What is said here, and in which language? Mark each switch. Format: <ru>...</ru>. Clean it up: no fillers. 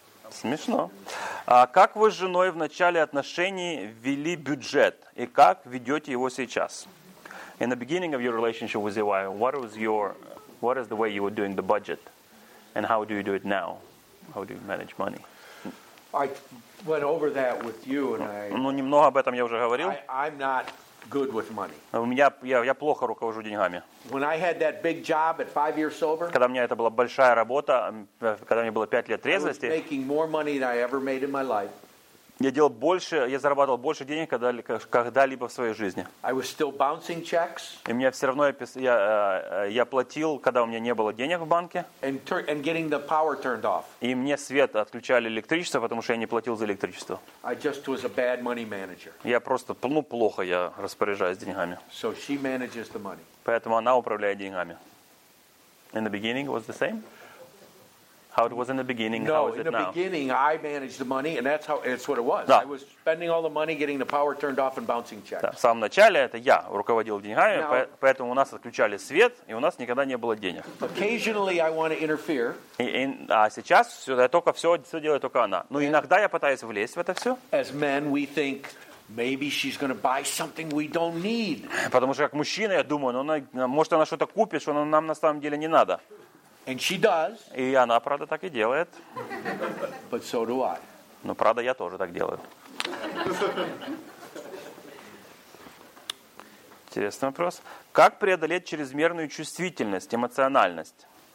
<ru>Смешно. Как вы с женой в начале отношений вели бюджет и как ведете его сейчас?</ru> <en>In the beginning of your relationship with your wife, what is the way you were doing the budget? And how do you do it now? How do you manage money? I went over that with you, and I.</en> <ru>Ну немного об этом я уже говорил.</ru> <en>I'm not good with money.</en> <ru>У меня я плохо руковожу деньгами.</ru> <en>When I had that big job at 5 years sober.</en> <ru>Когда у меня это была большая работа, когда мне было 5 лет трезвости.</ru> <en>I was making more money than I ever made in my life.</en> <ru>Я делал больше, я зарабатывал больше денег, когда-либо в своей жизни.</ru> <en>I was still bouncing checks.</en> <ru>И мне все равно я платил, когда у меня не было денег в банке.</ru> <en>And getting the power turned off.</en> <ru>И мне свет отключали электричество, потому что я не платил за электричество.</ru> <en>I just was a bad money manager.</en> <ru>Я просто, ну, плохо я распоряжаюсь деньгами.</ru> <en>So she manages the money.</en> <ru>Поэтому она управляет деньгами.</ru> <en>In the beginning it was the same. How it was in the beginning, no, how is it now? No, in beginning, I managed the money, and that's what it was.</en> <ru>Да.</ru> <en>I was spending all the money, getting the power turned off and bouncing checks.</en> <ru>Да. В самом начале это я руководил деньгами,</ru> <en>now,</en> <ru>поэтому у нас отключали свет, и у нас никогда не было денег.</ru> <en>Occasionally I want to interfere.</en> <ru>А сейчас все делает только она. Но иногда я пытаюсь влезть в это все.</ru> <en>As men, we think, maybe she's going to buy something we don't need.</en> <ru>Потому что как мужчина, я думаю, ну, может она что-то купит, что нам на самом деле не надо.</ru> <en>And she does.</en> <ru>И она, правда, так и делает.</ru> <en>But so do I.</en> <ru>Но, правда, я тоже так делаю. Интересный вопрос. Как преодолеть чрезмерную чувствительность, эмоциональность?</ru>